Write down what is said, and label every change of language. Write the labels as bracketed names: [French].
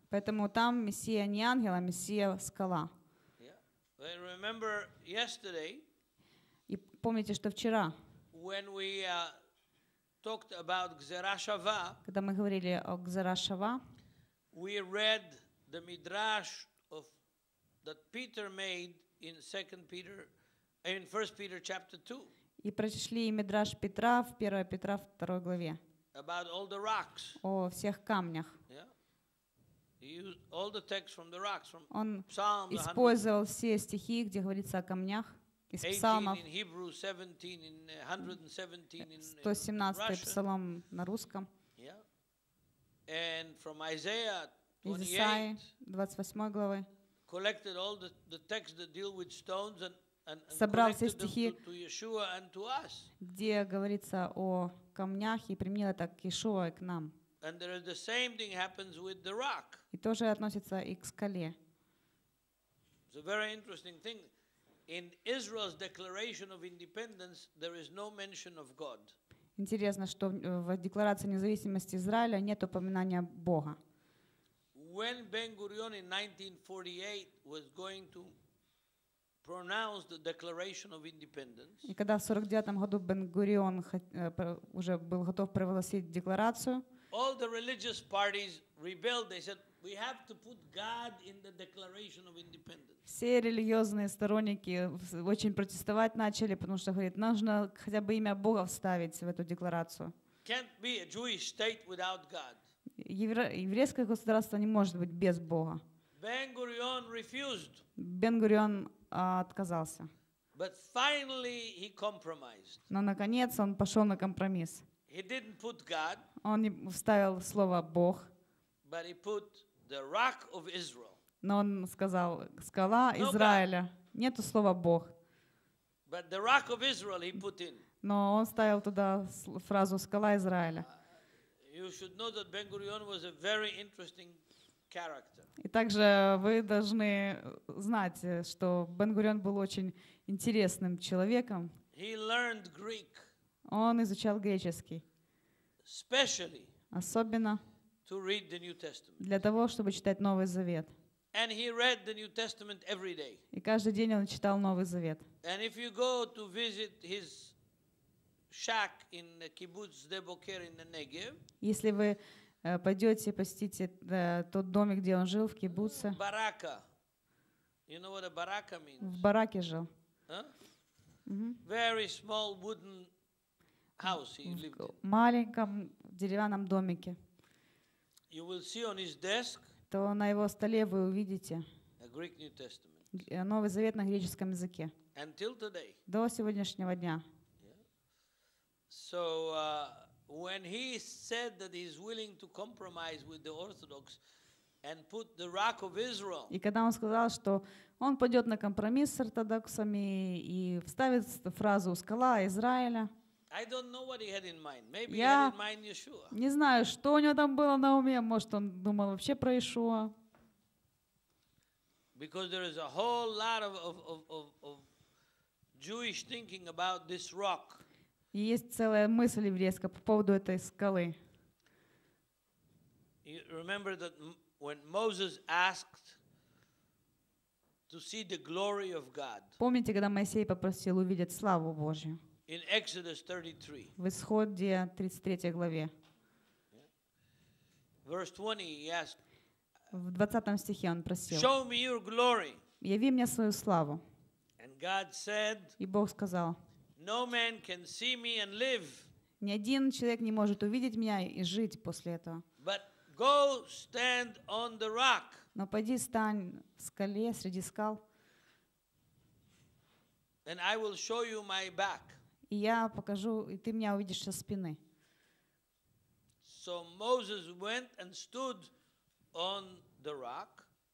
[Russian] Поэтому там Мессия не ангел, а Мессия скала. [English] Yeah. I remember yesterday. [Russian] И помните, что вчера. [English] When we talked about Gzera Shava, [Russian] когда мы говорили о Гзера Шава, [English] we read the midrash of that Peter made in 1 Peter chapter 2. [Russian] И прочли мидраш Петра в 1 Петра 2 главе. [English] About all the rocks. [Russian] О всех камнях. [English] Yeah. All the text from the rocks, from [Russian] он [English] Psalms [Russian] использовал все стихи, где говорится о камнях. Из псалмов 117 псалом на русском. [English] Yeah. And from Isaiah [Russian] 28 главы. [English] Collected all the texts that deal with stones and [Russian] собрал все стихи, [English] to Yeshua and to us. [Russian] Где говорится о камнях и применил это к Иешуа и к нам. [English] And there is the same thing happens with the rock. [Russian] И тоже относится и к скале. [English] It's a very interesting thing. In Israel's declaration of independence, there is no mention of God. [Russian] Интересно, что в декларации независимости Израиля нет упоминания Бога. [English] When Ben-Gurion in 1948 was going to pronounce the declaration of independence. [Russian] И когда в 49 году Бен-Гурион уже был готов провозгласить декларацию. [English] All the religious parties rebelled. They said, we have to put God in the declaration of independence. [Russian] Все религиозные сторонники очень протестовать начали, потому что говорит, нужно хотя бы имя Бога вставить в эту декларацию. [English] Can't be a Jewish state without God. [Russian] Еврейское государство не может быть без Бога. [English] Ben-Gurion refused. [Russian] Бен-Гурион отказался. [English] But finally he compromised. [Russian] Но наконец он пошел на компромисс. [English] He didn't put God. [Russian] Он не вставил слово Бог. [English] But he put the rock of Israel. [Russian] Но он сказал, скала Израиля. Нету слова Бог. [English] But the rock of Israel he put in. [Russian] Но он ставил туда фразу скала Израиля. [English] You should know that Ben-Gurion was a very interesting character. [Russian] И также вы должны знать, что Бен-Гурион был очень интересным человеком. [English] He learned Greek. [Russian] Он изучал греческий. [English] Especially. [Russian] Особенно. [English] To read the New Testament. [Russian] Для того, чтобы читать Новый Завет. [English] And he read the New Testament every day. [Russian] И каждый день он читал Новый Завет. [English] And if you go to visit his shack in the kibbutz Deboker in the Negev. [Russian] Если вы пойдете посетите тот домик, где он жил в кибуце. Барака. [English] You know what a baraka means? [Russian] В бараке жил. [English] Very small wooden house he lived in. [Russian] В маленьком деревянном домике. [English] You will see on his desk. [Russian] То на его столе вы увидите. [English] A Greek New Testament. [Russian] Новый Завет на греческом языке. [English] Until today. [Russian] До сегодняшнего дня. [English] So when he said that he's willing to compromise with the Orthodox and put the rock of Israel. [Russian] И когда он сказал, что он пойдет на компромисс с ортодоксами и вставит фразу «скала Израиля». [English] I don't know what he had in mind. Maybe he had in mind Yeshua. [Russian] Не знаю, что у него там было на уме. Может, он думал вообще про Иешуа. [English] Because there is a whole lot of Jewish thinking about this rock. [Russian] Есть целая мысль еврейская по поводу этой скалы. [English] You remember that when Moses asked to see the glory of God. [Russian] Помните, когда Моисей попросил увидеть славу Божью? [English] In Exodus 33. [Russian] В Исходе 33 главе. [English] Verse 20, he asked. [Russian] В 20 стихе он просил. [English] Show me your glory. [Russian] Яви мне свою славу. [English] And God said. [Russian] И Бог сказал. [English] No man can see me and live. [Russian] Ни один человек не может увидеть меня и жить после этого. [English] But go stand on the rock. [Russian] Но пойди стань в скале среди скал. [English] And I will show you my back. [Russian] И я покажу, и ты меня увидишь со спины. [English] So Moses went and stood on the rock.